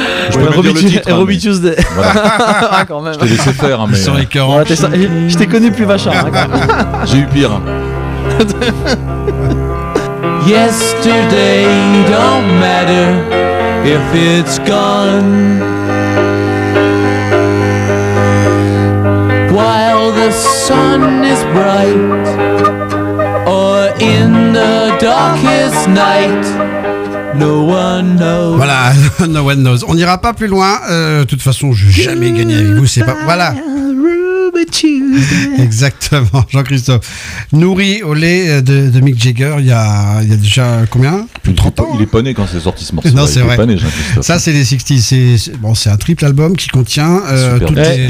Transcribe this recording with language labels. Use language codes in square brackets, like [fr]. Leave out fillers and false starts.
[fr] Je peux même dire le titre. Robbie Tuesday. Voilà. Quand même. Je t'ai laissé faire. Mais sont écœurants. Voilà, je t'ai connu plus machin. Hein, j'ai eu pire. [en] Yesterday don't matter if it's gone. While the sun is bright. In the darkest night, no one knows. [fr] Voilà, [en] no one knows. [fr] On n'ira pas plus loin. De toute façon, je n'ai jamais gagné avec vous. C'est pas. Voilà. Exactement, Jean-Christophe. Nourri au lait de Mick Jagger, il y a déjà combien ? Plus de 30 ans. Il n'est pas né quand c'est sorti ce morceau. Non, c'est vrai. Il n'est pas né, Jean-Christophe. Ça, c'est les 60s. C'est un triple album qui contient toutes les Londoners.